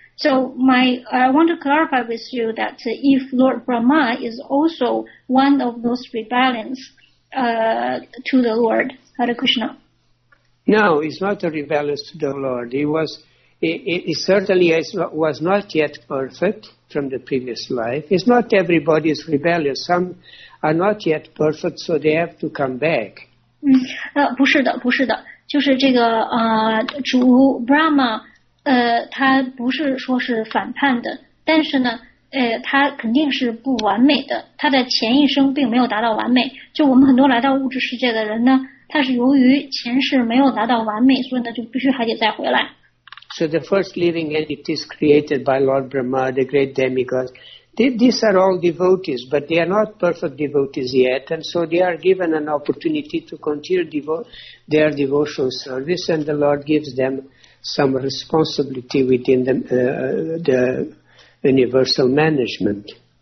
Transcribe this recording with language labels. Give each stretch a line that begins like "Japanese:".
English: So I want to clarify with you that if Lord Brahma is also one of those rebellions to the Lord, Hare Krishna. No, it's not a rebellion to the Lord. It certainly was not yet perfect from the previous life. It's not everybody's rebellious. Some are not yet perfect, so they have to come back.
Chinese: 不是的，不是的，就是这个主 Brahma， 他不是说是反叛的，但是呢，他肯定是不完美的，他的前一生并没有达到完美。就我们很多来到物质世界的人呢，他是由于前世没有达到完美，所以呢就必须还得再回来。
English: So the first living entities created by Lord Brahma, the great demigods, these are all devotees, but they are not perfect devotees yet, and so they are given an opportunity to continue their devotional service, and the Lord gives them some responsibility within the universal management.